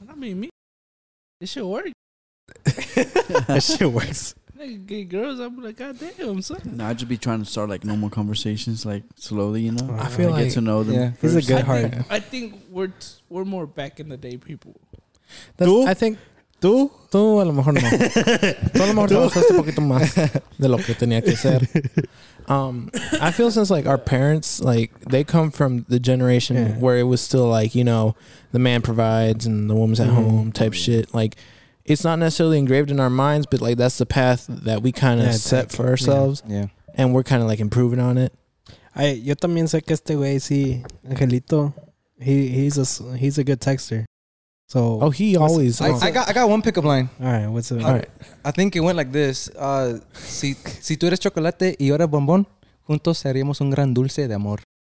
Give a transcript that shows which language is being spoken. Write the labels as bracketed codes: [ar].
[en] I mean, me, this shit work. That shit works. Get girls, I'm like, god damn, son. No, I'd just be trying to start like normal conversations, like slowly, you know. I feel like get to know them. Yeah, he's a good heart. I think we're more back in the day people. That's, I think. [es] Tú a lo mejor no. Tú a lo mejor trabajaste un poquito más de lo que tenía que ser. [en] I feel since like our parents, like they come from the generation where it was still like, you know, the man provides and the woman's at home type shit. Like, it's not necessarily engraved in our minds, but like that's the path that we kind of set for ourselves. Yeah. And we're kind of like improving on it. [es] Yo también sé que este güey sí, Angelito, [en] he's a good texter. So I got one pickup line. All right, what's it? All right, I think it went like this. [es] Si tú eres chocolate y yo eres bombón, juntos seríamos un gran dulce de amor.